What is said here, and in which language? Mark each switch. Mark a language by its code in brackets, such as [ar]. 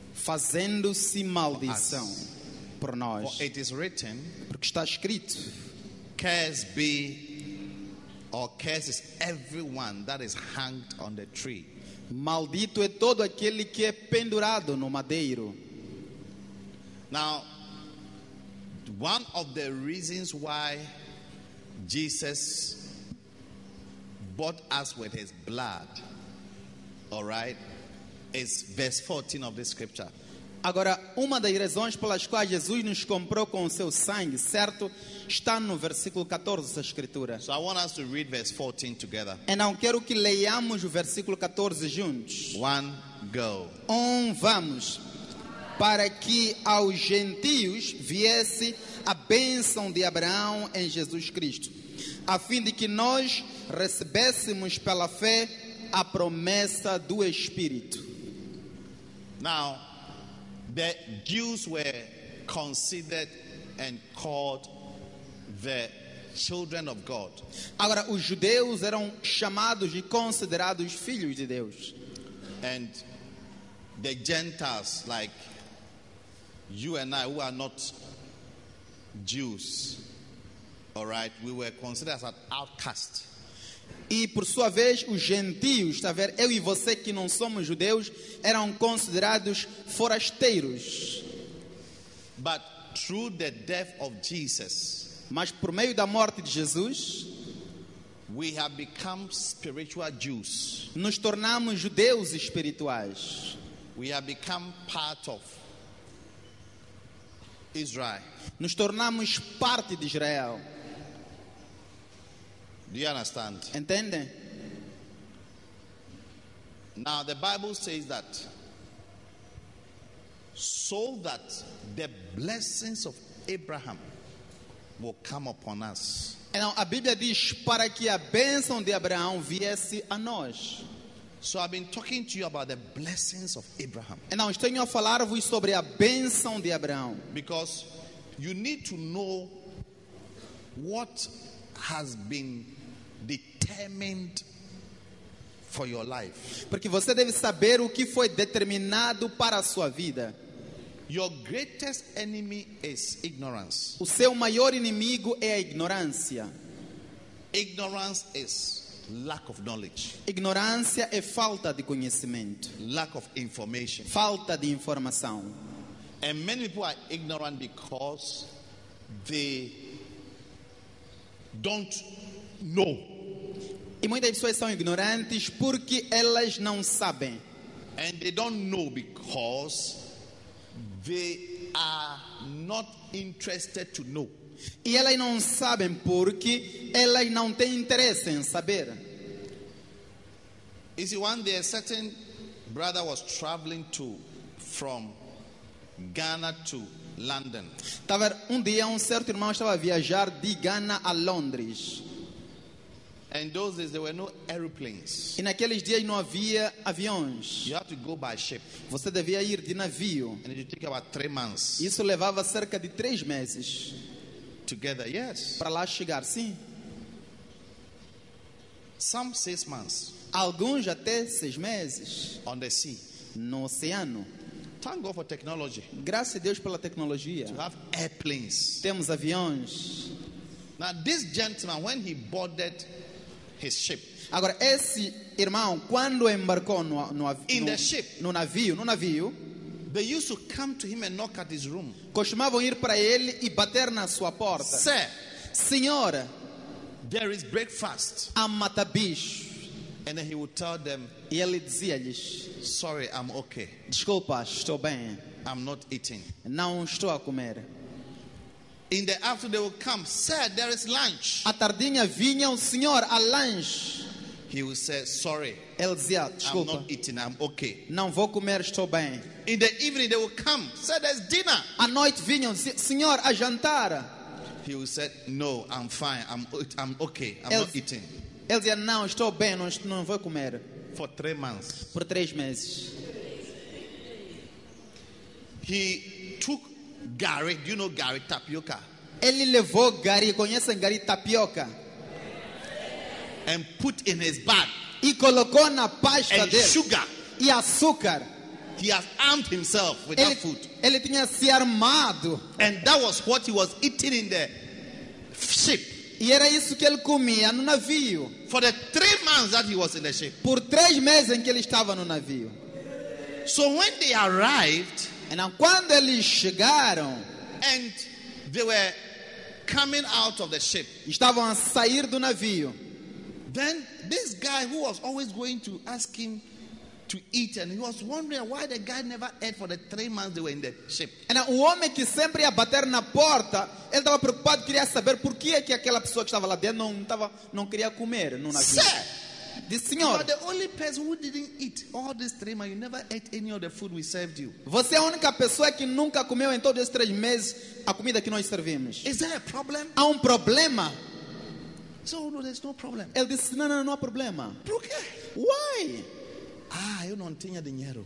[pt] Fazendo-se maldição por nós. [en] For it is written, [pt] porque está escrito, [en] curse be. Or curses everyone that is hanged on the tree. [pt] Maldito é todo aquele que é pendurado no madeiro. [en] Now, one of the reasons why Jesus bought us with his blood, all right, is verse 14 of the scripture. [pt] Agora, uma das razões pelas quais Jesus nos comprou com o seu sangue, certo, está no versículo 14 da Escritura. [en] So I want us to read verse 14 together. [pt] Então, quero que leiamos o versículo 14 juntos. [en] One, go. [pt] Vamos. Para que aos gentios viesse a bênção de Abraão em Jesus Cristo, a fim de que nós recebêssemos pela fé a promessa do Espírito. [en] Now, the Jews were considered and called the children of God. [pt] Agora, os judeus eram chamados e considerados filhos de Deus. [en] And the Gentiles, like you and I, who are not Jews, all right, we were considered as an outcast. [pt] E por sua vez, os gentios, está a ver, eu e você que não somos judeus, eram considerados forasteiros. [en] But through the death of Jesus, [pt] mas por meio da morte de Jesus, [en] we have become spiritual Jews. [pt] Nos tornamos judeus espirituais. [en] We have become part of Israel. [pt] Nos tornamos parte de Israel. [en] Do you understand? [pt] Entende? [en] Now the Bible says that so that the blessings of Abraham will come upon us. [pt] Então a Bíblia diz para que a bênção de Abraão viesse a nós. [en] So I've been talking to you about the blessings of Abraham. [pt] Então estou a falar-vos sobre a bênção de Abraão. [en] Because you need to know what has been determined for your life. [pt] Porque você deve saber o que foi determinado para a sua vida. [en] Your greatest enemy is ignorance. [pt] O seu maior inimigo é a ignorância. [en] Ignorance is lack of knowledge. [pt] Ignorância é falta de conhecimento. [en] Lack of information. [pt] Falta de informação. [en] And many people are ignorant because they don't know. [pt] E muitas pessoas são ignorantes porque elas não sabem. [en] And they don't know because they are not interested to know. [pt] E elas não sabem porque elas não têm interesse em saber. [en] You see, one day a certain brother was traveling to from Ghana to London. [pt] Tava um dia um certo irmão estava a viajar de Ghana a Londres. [en] And those days there were no aeroplanes. [pt] E naqueles dias não havia aviões. [en] You have to go by ship. [pt] Você devia ir de navio. [en] And it would take about 3 months. [pt] Isso levava cerca de 3 meses. [en] Together, yes. [pt] Para lá chegar, sim. [en] Some 6 months. [pt] Alguns até 6 meses. [en] On the sea. [pt] No oceano. [en] Thank God for technology. [pt] Graças a Deus pela tecnologia. [en] To have airplanes. [pt] Temos aviões. [en] Now this gentleman, when he boarded his ship. [pt] Agora esse irmão quando embarcou no navio. [en] They used to come to him and knock at his room. [pt] Costumavam ir para ele e bater na sua porta. [en] Sir, [pt] senhor, [en] there is breakfast. [pt] Há matabicho. [en] And then he would tell them. [pt] E ele dizia-lhes, [en] sorry, I'm okay. [pt] Desculpa, estou bem. [en] I'm not eating. [pt] Não estou a comer. [en] In the afternoon they would come. Sir, there is lunch. [pt] À tardinha vinha o senhor a lanche. [en] He would say, sorry. [pt] Ele dizia, desculpa. [en] I'm not eating. I'm okay. [pt] Não vou comer, estou bem. [en] In the evening they would come. Sir, there's dinner. [pt] À noite vinha o senhor a jantar. [en] He would say, no, I'm fine. I'm okay. I'm not eating. [pt] Ele dizia, não, estou bem, não vou comer. [en] For 3 months. [pt] Por 3 meses. [en] He took gari. Do you know gari? Tapioca. [pt] Ele levou gari. Conhece gari? Tapioca. [en] And put in his bag. [pt] E colocou na pasta [en] and [pt] dele. [en] And sugar. [pt] E açúcar. [en] He has armed himself with [pt] ele, [en] that food. [pt] Ele tinha se armado. [en] And that was what he was eating in the ship. [pt] E era isso que ele comia no navio. [en] For the 3 months that he was in the ship. [pt] Por 3 meses em que ele estava no navio. [en] So when they arrived, [pt] and quando eles chegaram, [en] and they were coming out of the ship, [pt] estavam a sair do navio. [en] Then this guy who was always going to ask him to eat, and he was wondering why the guy never ate for the 3 months they were in the ship. [pt] E o homem que sempre ia bater na porta, ele estava preocupado, queria saber por que é que aquela pessoa que estava lá dentro não queria comer no navio. [en] Sir, [pt] disse, senhor, [en] you are the only person who didn't eat all these 3 months. You never ate any of the food we served you. [pt] Você é a única pessoa que nunca comeu em todos esses 3 meses a comida que nós servimos. [en] Is there a problem? [pt] Há um problema? [en] So no, there's no problem. [pt] Ele disse, não há problema. Por quê? [en] Why? [pt] Ah, eu não tinha dinheiro.